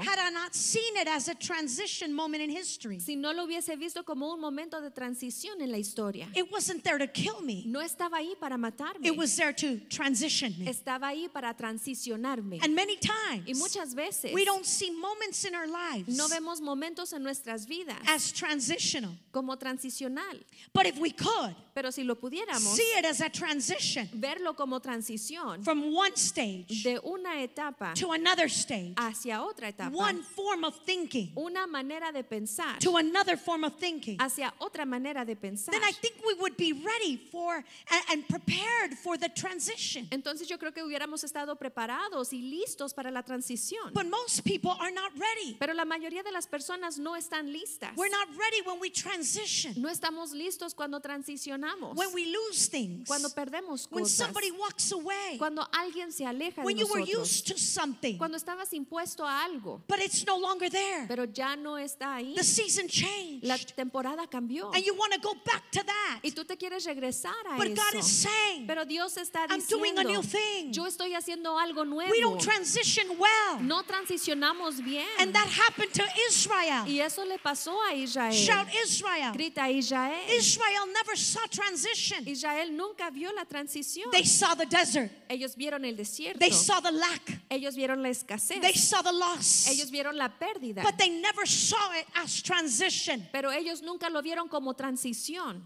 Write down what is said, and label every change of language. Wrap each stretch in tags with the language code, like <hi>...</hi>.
<en>had I not seen it as a transition moment in history,</en> <es>si no lo hubiese visto como un momento de transición en la historia?</es> <en>It wasn't there to kill me.</en> <es>No estaba ahí para matarme.</es> <en>It was there to transition me.</en> <es>Estaba ahí para transicionarme.</es> <en>And many times,</en> <es>y muchas veces,</es> <en>we don't see moments in our lives,</en> <es>no vemos momentos en nuestras vidas,</es> <en>as transitional,</en> <es>como transicional.</es> <en>But if we could,</en> <es>pero si lo pudiéramos,</es> <en>see it as a transition,</en> <es>verlo como transición.</es> <en>From one stage</en> <es>de una etapa</es> <en>to another stage,</en> <es>hacia otra etapa,</es> <en>one form of thinking,</en> <es>una manera de pensar,</es> <en>to another form of thinking,</en> <es>hacia otra manera de pensar,</es> <en>then I think we would be ready for and prepared for the transition.</en> <es>Entonces yo creo que hubiéramos estado preparados y listos para la transición.</es> <en>But most people are not ready.</en> <es>Pero la mayoría de las personas no están listas.</es> <en>We're not ready when we transition.</en> <es>No estamos listos cuando transicionamos.</es> <en>When we lose things.</en> <es>Cuando perdemos</es> <en>when</en> <es>cosas.</es> <en>When somebody walks away.</en> <es>Cuando alguien se aleja</es> <en>when</en> <es>de</es> <en>you</en> <es>nosotros.</es> <en>Were used to something.</en> <es>Cuando estabas impuesto a algo.</es> <en>But it's no longer there.</en> <es>Pero ya no está ahí.</es> <en>The season changed.</en> <es>La temporada cambió.</es> <en>And you want to go back to that.</en> <es>Y tú te quieres regresar a</es> <en>but</en> <es>eso.</es> <en>God is saying,</en> <es>pero Dios está diciendo,</es> <en>I'm doing a new thing.</en> <es>Yo estoy haciendo algo nuevo.</es> <en>We don't transition well.</en> <es>No transicionamos bien.</es> <en>And that happened to Israel.</en> <es>Y eso le pasó a Israel.</es> <en>Shout Israel.</en> <es>Grita Israel.</es> <en>Israel never saw transition.</en> <es>Israel nunca vio la transición.</es> <en>They saw the desert.</en> <es>Ellos vieron el desierto.</es> <en>They saw the lack.</en> <es>Ellos vieron la escasez.</es> <en>They saw the loss.</en> <es>Ellos vieron la pérdida.</es> <en>But they never saw it as transition.</en> <es>Pero ellos nunca lo vieron como transición.</es>